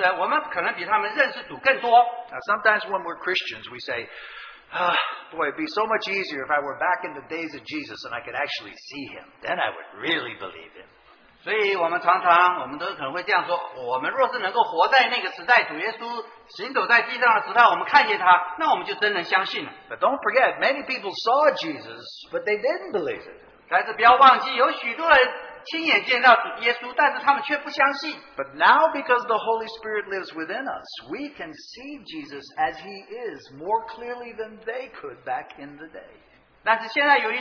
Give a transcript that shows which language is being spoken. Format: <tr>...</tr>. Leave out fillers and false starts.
<zh>弟兄姊妹，我们在现在我们所能够认识主耶稣，比那个时候在主耶稣在地上行走那些看见主耶稣的人，我们可能比他们认识主更多.</zh> <en>Now, sometimes when we're Christians, we say, boy, it'd be so much easier if I were back in the days of Jesus and I could actually see him. Then I would really believe him.</en> <zh>所以我们常常我们都可能会这样说，我们若是能够活在那个时代，主耶稣行走在地上的时代，我们看见他，那我们就真能相信了。</zh> <en>But don't forget, many people saw Jesus, but they didn't believe it.</en> <zh>但是不要忘记，有许多人亲眼见到主耶稣，但是他们却不相信。</zh> <en>But now, because the Holy Spirit lives within us, we can see Jesus as he is more clearly than they could back in the day.</en>